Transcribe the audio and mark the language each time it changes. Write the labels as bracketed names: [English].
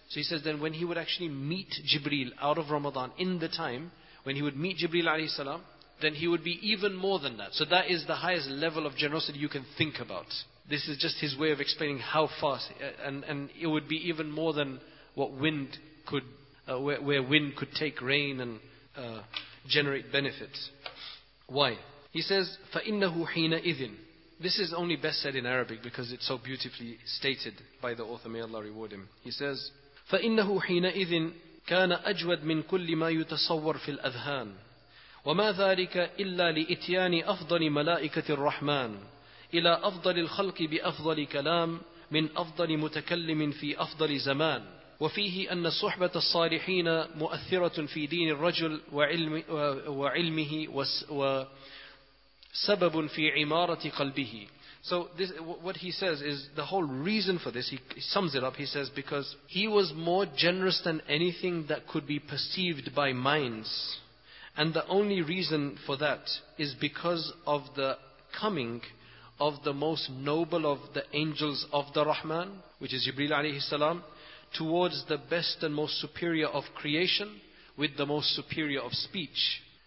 [English] So he says then when he would actually meet Jibreel out of Ramadan in the time, when he would meet Jibreel alayhi salam, then he would be even more than that. So that is the highest level of generosity you can think about. This is just his way of explaining how fast, and it would be even more than what wind could, where wind could take rain and generate benefits. Why? He says, [Arabic] فَإِنَّهُ حِينَ إِذٍ. [English] This is only best said in Arabic because it's so beautifully stated by the author, may Allah reward him. He says, [Arabic] فَإِنَّهُ حِينَ إِذٍ كَانَ أَجْوَدْ مِنْ كُلِّ مَا يُتَصَوَّرْ فِي الْأَذْهَانِ وَمَا ذَلِكَ إِلَّا لِإِتْيَانِ أَفْضَلِ مَلَائِكَةِ الرَّحْمَانِ إلى أفضل الخلق بأفضل كلام من أفضل متكلم في أفضل زمان وفيه أن صحبة الصالحين مؤثرة في دين الرجل وعلمه وسبب في عمارة قلبه. [English] So this, what he says is the whole reason for this, he sums it up, he says because he was more generous than anything that could be perceived by minds, and the only reason for that is because of the coming of the most noble of the angels of the Rahman, which is Jibreel alayhi salam, towards the best and most superior of creation, with the most superior of speech.